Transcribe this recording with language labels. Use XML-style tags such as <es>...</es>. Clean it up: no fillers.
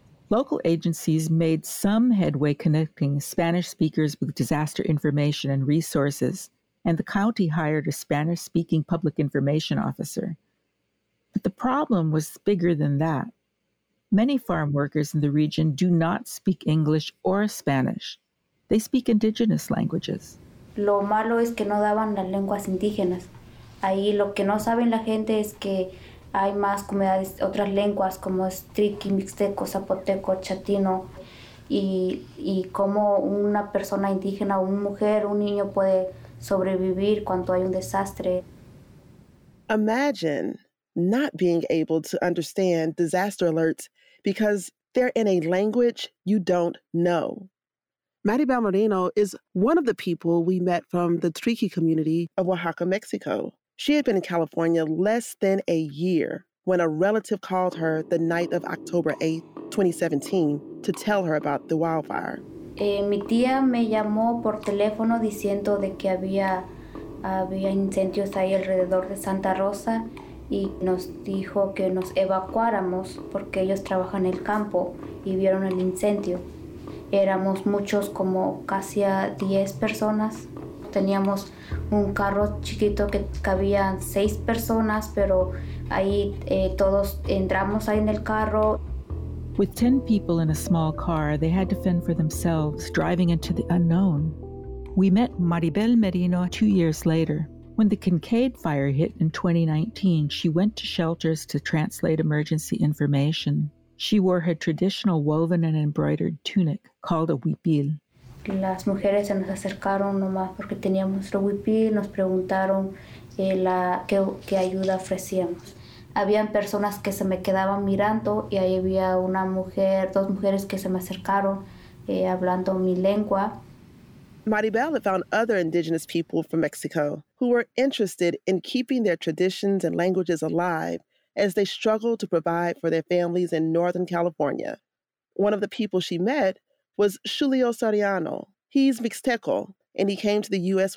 <en>Local agencies made some headway connecting Spanish speakers with disaster information and resources, and the county hired a Spanish-speaking public information officer. But the problem was bigger than that. Many farm workers in the region do not speak English or Spanish. They speak indigenous languages.</en> <es>Lo malo es que no daban las lenguas indígenas. Ahí lo que no saben la gente es que hay más comunidades, otras lenguas como Triqui, Mixteco, Zapoteco, Chatino. Y cómo una persona indígena, una mujer, un niño puede sobrevivir cuando hay un desastre.</es> <en>Imagine not being able to understand disaster alerts because they're in a language you don't know. Maribel Moreno is one of the people we met from the Triqui community of Oaxaca, Mexico. She had been in California less than a year when a relative called her the night of October 8, 2017, to tell her about the wildfire.</en> <es>Mi tía me llamó por teléfono diciendo de que había incendios ahí alrededor de Santa Rosa y nos dijo que nos evacuáramos porque ellos trabajan en el campo y vieron el incendio. Éramos muchos, como casi a 10 personas. Teníamos un carro chiquito que cabían 6 personas, pero ahí todos entramos ahí en el carro.</es> <en>With 10 people in a small car, they had to fend for themselves, driving into the unknown. We met Maribel Merino 2 years later. When the Kincaid fire hit in 2019, she went to shelters to translate emergency information. She wore her traditional woven and embroidered tunic called a huipil.</en> <es>Las mujeres se nos acercaron nomás porque teníamos nuestro huipil, nos preguntaron qué ayuda ofrecíamos. Habían personas que se me quedaban mirando y ahí había una mujer, dos mujeres que se me acercaron hablando mi lengua.</es> <en>Maribel had found other indigenous people from Mexico who were interested in keeping their traditions and languages alive as they struggled to provide for their families in Northern California. One of the people she met was Julio Soriano. He's Mixteco, and he came to the U.S.</en>